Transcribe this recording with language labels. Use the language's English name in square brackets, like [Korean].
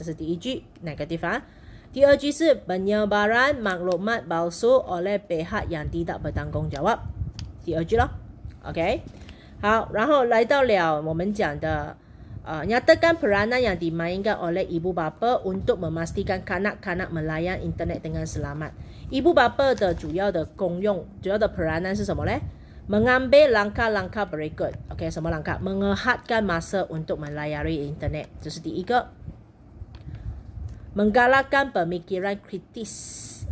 [Chinese] 这是第一句 [Malay] negative、啊、 [Chinese] 第二句是 [Malay] penyebaran maklumat palsu oleh pihak yang tidak bertanggungjawab. [Chinese] 第二句咯 OK,好，然后来到了我们讲的， [Malay] nyatakan peranan yang dimainkan oleh ibu bapa untuk memastikan kanak-kanak melayan internet dengan selamat. Ibu bapa [Chinese] 的主要的功用，主要的 peranan 是什么呢？ [Malay] Mengambil langkah-langkah berikut. [Chinese] OK, 什么langkah? [Malay] Mengehadkan masa untuk melayari internet. [Chinese] 这是第一个。 [Malay] Menggalakkan pemikiran kritis.